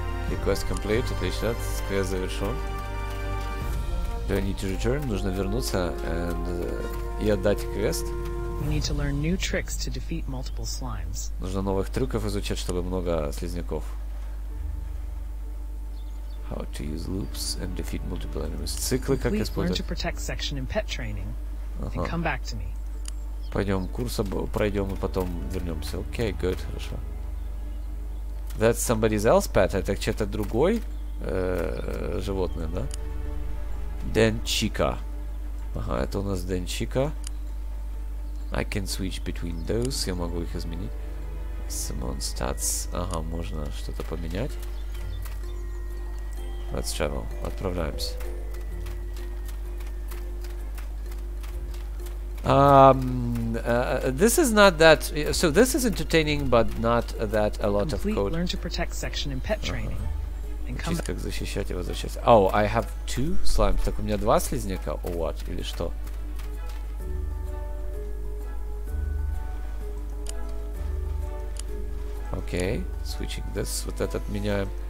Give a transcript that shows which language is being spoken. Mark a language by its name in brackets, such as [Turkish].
[English] Request complete, [Russian] отлично, квест завершен. [English] Do I need to return? [Russian] Нужно вернуться and, и отдать квест. [English] We need to learn new tricks to defeat multiple slimes. [Russian] Нужно новых трюков изучать, чтобы много слизняков. [English] How to use loops and defeat multiple enemies. [Russian] Циклы как использовать? [English] Learn to protect section in pet training. Uh-huh. And come back to me. [Russian] Пойдем курс пройдем и потом вернемся. [English] Okay, good, [Russian] хорошо. [English] That's somebody else's pet. [Russian] Это чей-то другой животное, да? Денчика. Ага, это у нас Денчика. [English] I can switch between those. [Russian] Я могу их изменить. [English] Summon stats. [Russian] Ага, можно что-то поменять. [English] Let's travel. [Russian] Отправляемся. [English] This is not that. So this is entertaining, but not that a lot complete of code. Learn to protect section in pet training. [Russian] Учись, как защищать и возвращаться. [English] Oh, I have two slimes. [Russian] Так у меня два слизняка? [English] Or what? [Russian] Или что? Окей. [English] Okay. Switching this. [Russian] Вот этот меняем.